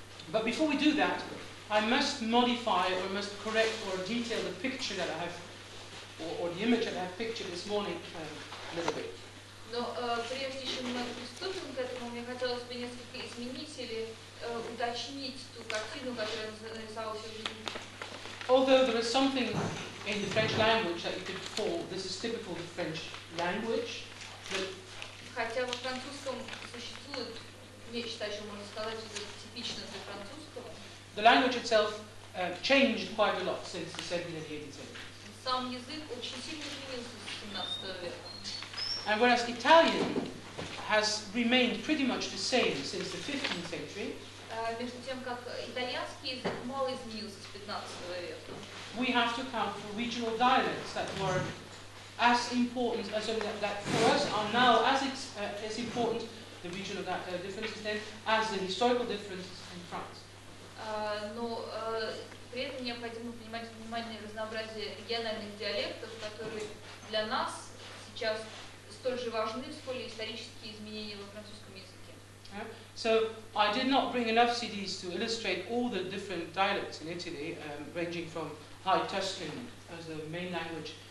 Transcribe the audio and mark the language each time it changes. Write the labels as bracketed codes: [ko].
[en] But before we do that, I must modify or must correct or detail the picture that I have, or the image that I have pictured this morning a little bit. [ru] Но прежде чем мы приступим к этому, мне хотелось бы несколько изменить или уточнить ту картину, которую нарисовал сегодня. [en] Although there is something in the French language that you could call, this is typical of the French language, but [ru] хотя во французском существует нечто, о чем можно сказать, что это типично для французского. [en] The language itself changed quite a lot since the 17th century. [ru] Сам язык очень сильно изменился с 17 века. [en] And whereas Italian has remained pretty much the same since the 15th century. [ru] Между тем, как итальянский язык мало изменился с 15 века. [en] We have to account for regional dialects that were as important as that for us are now as important the regional differences then as the historical differences in France. [ru] Но при этом необходимо принимать внимание разнообразие региональных диалектов, которые для нас сейчас столь же важны, сколь и исторические изменения во французском языке. [en] So I did not bring enough CDs to illustrate all the different dialects in Italy, ranging from High Tuscan as the main language.